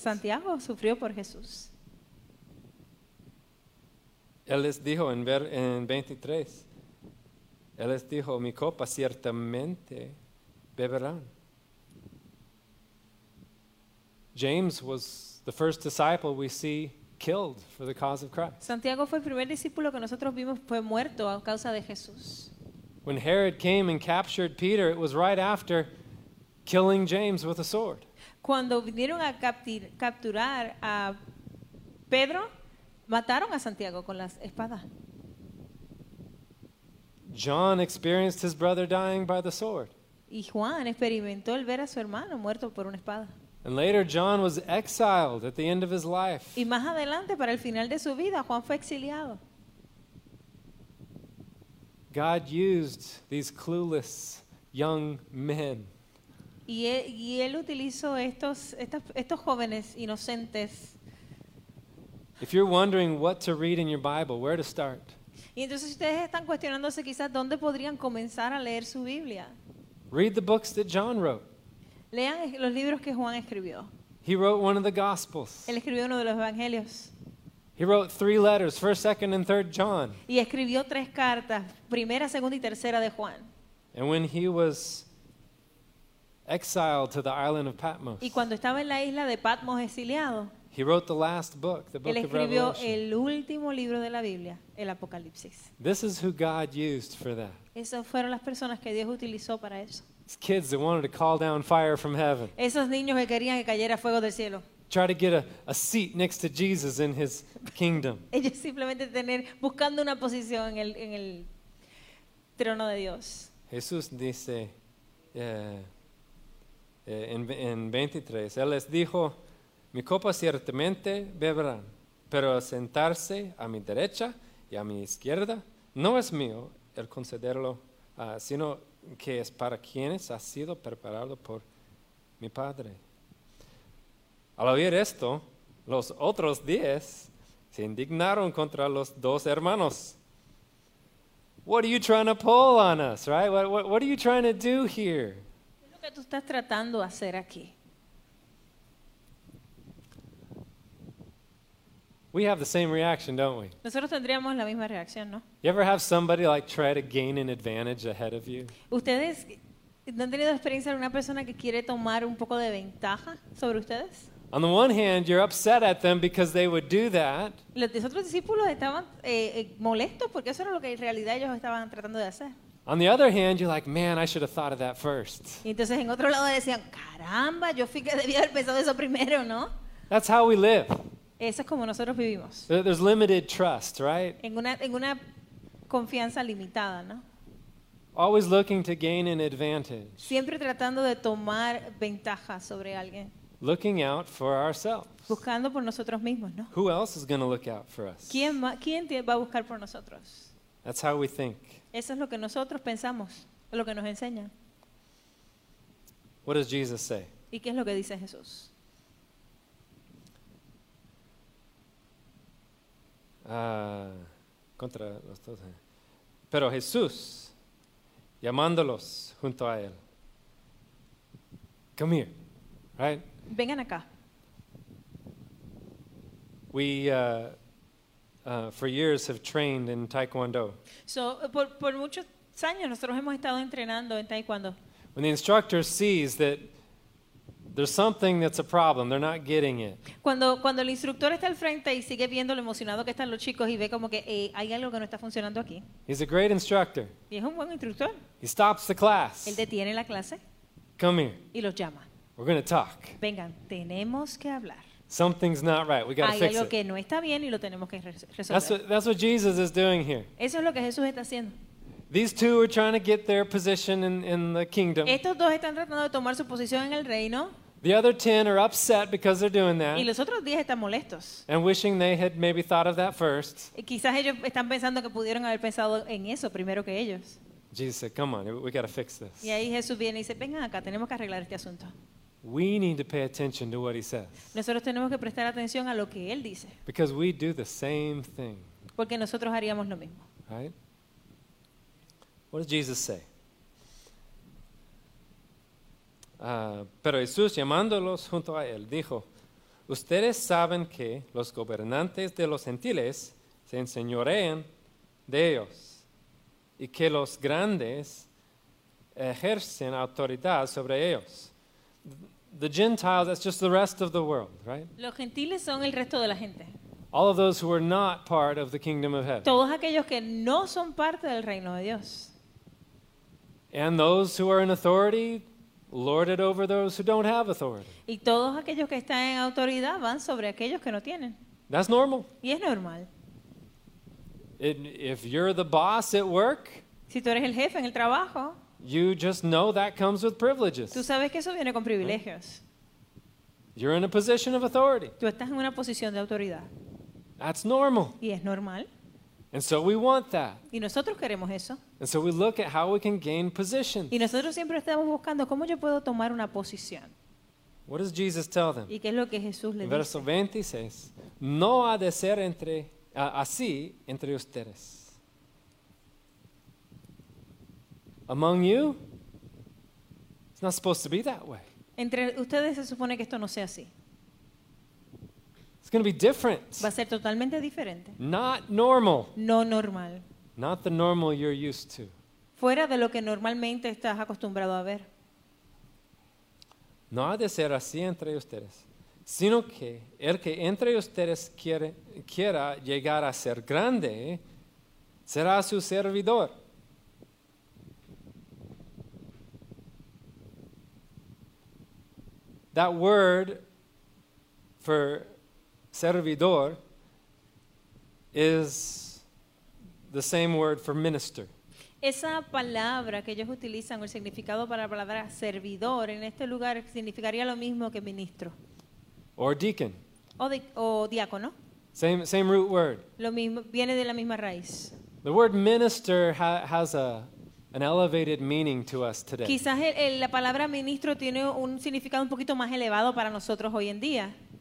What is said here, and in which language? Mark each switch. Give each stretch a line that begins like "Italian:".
Spanish: Santiago sufrió por Jesús. Él les dijo en 23, Él les dijo, mi copa ciertamente beberán.
English: James was the first disciple we see killed for the cause of Christ.
Spanish: Santiago fue el primer discípulo que nosotros vimos fue muerto a causa de Jesús.
English: When Herod came and captured Peter, it was right after killing James with a sword.
Spanish: Cuando vinieron a capturar a Pedro, mataron a Santiago con la espada.
English: John experienced his brother dying by the sword.
Spanish: Y Juan experimentó el ver a su hermano muerto por una espada.
English: And later John was exiled at the end of his life.
Spanish: Y más adelante, para el final de su vida, Juan fue exiliado.
English: God used these clueless young men.
Spanish: Y él utilizó estos jóvenes inocentes.
English: If you're wondering what to read in your Bible, where to start?
Spanish: Y entonces ustedes están cuestionándose quizás dónde podrían comenzar a leer su Biblia.
English: Read the books that John wrote.
Spanish: Lean los libros que Juan escribió.
English: He wrote one of the Gospels.
Spanish: Él escribió uno de los Evangelios.
English: He wrote three letters, 1st, 2nd, and 3rd John.
Spanish: Y escribió tres cartas, primera, segunda y tercera de Juan.
English: And when he was exiled to the island of Patmos.
Spanish: Y cuando estaba en la isla de Patmos exiliado.
English: He wrote the last book, the book of Revelation.
Spanish: Él escribió el último libro de la Biblia, el Apocalipsis.
English: This is who God used for that.
Spanish: Esas fueron las personas que Dios utilizó para eso.
English: These kids that wanted to call down fire from heaven.
Spanish: Esos niños que querían que cayera fuego del cielo.
English: Try to get a seat next to Jesus in his kingdom.
Spanish: Ellos simplemente tener buscando una posición en el trono de Dios. Jesús dice en 23, él les dijo: mi copa ciertamente beberán, pero sentarse a mi derecha y a mi izquierda no es mío el concederlo, sino que es para quienes ha sido preparado por mi Padre. Al oír esto, los otros 10 se indignaron contra los dos hermanos.
English: What are you trying to pull on us, right? What are you trying to do here?
Spanish: ¿Qué es lo que tú estás tratando de hacer aquí?
English: We have the same reaction, don't we?
Spanish: Nosotros tendríamos la misma reacción, ¿no?
English: You ever have somebody like try to gain an advantage ahead of you?
Spanish: ¿Ustedes no han tenido experiencia de una persona que quiere tomar un poco de ventaja sobre ustedes?
English: On the one hand, you're upset at them because they would do that.
Spanish: Los otros discípulos estaban molestos porque eso era lo que en realidad ellos estaban tratando de hacer.
English: On the other hand, you're like, man, I should have thought of that first.
Spanish: Y entonces en otro lado decían, caramba, yo fui que debía haber pensado eso primero, ¿no?
English: That's how we live.
Spanish: Eso es como nosotros vivimos.
English: There's limited trust, right?
Spanish: En una confianza limitada, ¿no?
English: Always looking to gain an advantage.
Spanish: Siempre tratando de tomar ventaja sobre alguien.
English: Looking out for ourselves.
Spanish: Buscando por nosotros mismos, ¿no?
English: Who else is going to look out for us?
Spanish: ¿Quién va a buscar por nosotros?
English: That's how we think.
Spanish: Eso es lo que nosotros pensamos, lo que nos enseña.
English: What does Jesus say?
Spanish: ¿Y qué es lo que dice Jesús? Contra los dos. Pero Jesús, llamándolos junto a él.
English: Come here, right?
Spanish: Vengan acá.
English: We for years have trained in Taekwondo.
Spanish: So por muchos años nosotros hemos estado entrenando en Taekwondo.
English: When the instructor sees that there's something that's a problem. They're not getting it.
Spanish: Cuando el instructor está al frente y sigue viendo lo emocionado que están los chicos y ve como que hay algo que no está funcionando aquí.
English: He's a great instructor.
Spanish: Y es un buen instructor.
English: He stops the class.
Spanish: Él detiene la clase.
English: Come here.
Spanish: Y los llama.
English: We're going to talk.
Spanish: Vengan, tenemos que hablar.
English: Something's not right. We got to fix it.
Spanish: Hay algo que no está bien y lo tenemos que resolver.
English: That's what Jesus is doing here.
Spanish: Eso es lo que Jesús está haciendo.
English: These two are trying to get their position in the kingdom.
Spanish: Estos dos están tratando de tomar su posición en el reino.
English: The other 10 are upset because they're doing that.
Spanish: Y los otros 10 están molestos.
English: And wishing they had maybe thought of that first.
Spanish: Y quizás ellos están pensando que pudieron haber pensado en eso primero que ellos.
English: Jesus said, "Come on, we got to fix this."
Spanish: Y ahí Jesús viene y dice, "Vengan acá, tenemos que arreglar este asunto."
English: We need to pay attention to what he says.
Spanish: Nosotros tenemos que prestar atención a lo que él dice.
English: Because we do the same thing.
Spanish: Porque nosotros haríamos lo mismo.
English: Right? What does Jesus say?
Spanish: Pero Jesús, llamándolos junto a él, dijo: ustedes saben que los gobernantes de los gentiles se enseñorean de ellos y que los grandes ejercen autoridad sobre ellos.
English: The Gentiles, that's just the rest of the world, right?
Spanish: Los gentiles son el resto de la gente.
English: All of those who are not part of the kingdom of heaven.
Spanish: Todos aquellos que no son parte del reino de Dios.
English: And those who are in authority lord it over those who don't have authority.
Spanish: Y todos aquellos que están en autoridad van sobre aquellos que no tienen.
English: That's normal.
Spanish: Y es normal.
English: If you're the boss at work,
Spanish: si tú eres el jefe en el trabajo,
English: you just know that comes with privileges.
Spanish: Tú sabes que eso viene con privilegios.
English: You're in a position of authority.
Spanish: Tú estás en una posición de autoridad.
English: That's normal.
Spanish: Y es normal.
English: And so we want that.
Spanish: Y nosotros queremos eso.
English: And so we look at how we can gain position.
Spanish: Y nosotros siempre estamos buscando cómo yo puedo tomar una posición.
English: What does Jesus tell them?
Spanish: ¿Y qué es lo que Jesús le dice? Verso 26. No ha de ser entre así entre ustedes.
English: Among you, it's not supposed to be that way.
Spanish: Entre ustedes se supone que esto no sea así.
English: It's going to be different.
Spanish: Va a ser totalmente diferente.
English: Not normal.
Spanish: No normal.
English: Not the normal you're used to.
Spanish: Fuera de lo que normalmente estás acostumbrado a ver. No ha de ser así entre ustedes, sino que el que entre ustedes quiera llegar a ser grande será su servidor.
English: That word for servidor is the same word for minister.
Spanish: Esa palabra que ellos utilizan, el significado para la palabra servidor en este lugar significaría lo mismo que ministro.
English: Or deacon.
Spanish: O diácono.
English: Same root word.
Spanish: Lo mismo, viene de la misma raíz.
English: The word minister has an elevated meaning to us today.
Spanish: Quizás la palabra ministro tiene un significado un poquito más elevado para nosotros hoy en día.